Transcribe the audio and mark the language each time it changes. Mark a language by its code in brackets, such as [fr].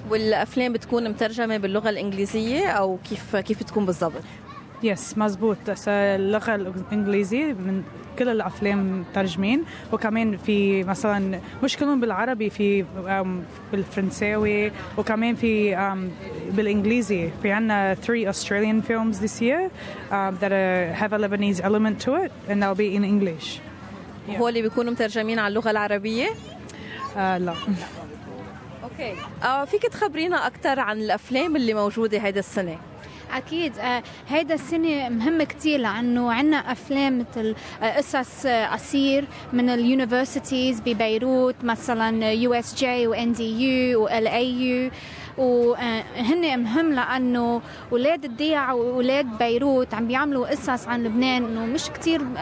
[ar] والأفلام بتكون مترجمة باللغة الإنجليزية أو كيف تكون بالضبط؟ [en] yes [ar] مزبوط، اللغة الإنجليزية من كل الأفلام ترجمين، وكمان في مثلا مش كلهم بالعربي، في بالفرنساوي وكمان في بالإنجليزي. في عنا [en] 3 Australian films this year that have a Lebanese element to it and they'll be in English. Yeah. [ar] هو اللي بيكونوا مترجمين على اللغة العربية؟ لا. أوكي. فيك تخبرينا أكثر عن الأفلام اللي موجودة هيدا السنة؟ أكيد هيدا السنة مهم كتير، لأنه عنا أفلام مثل قصص قصير من اليونيفرسيتيز ببيروت، مثلا USJ وNDU وLAU، وهن مهم لأنه أولاد الضيعة وأولاد بيروت عم بيعملوا قصص عن لبنان، إنه مش كتير